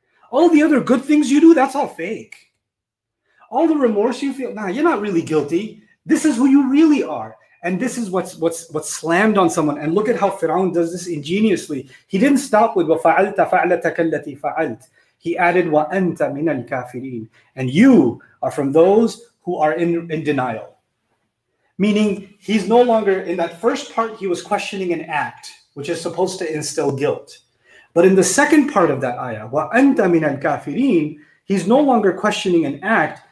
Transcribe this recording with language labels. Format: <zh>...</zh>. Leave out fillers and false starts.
<en>All the other good things you do, that's all fake. All the remorse you feel, nah, you're not really guilty. This is who you really are. And this is what's slammed on someone. And look at how Fir'aun does this ingeniously. He didn't stop with</en> <ar>وَفَعَلْتَ فَعْلَتَكَ الَّتِي فَعَلْتَ.</ar> <en>He added</en> <ar>وَأَنْتَ مِنَ الْكَافِرِينَ.</ar> <en>And you are from those who are in denial. Meaning he's no longer, in that first part, he was questioning an act, which is supposed to instill guilt. But in the second part of that ayah,</en> <ar>وَأَنْتَ مِنَ الْكَافِرِينَ,</ar> <en>he's no longer questioning an act.</en>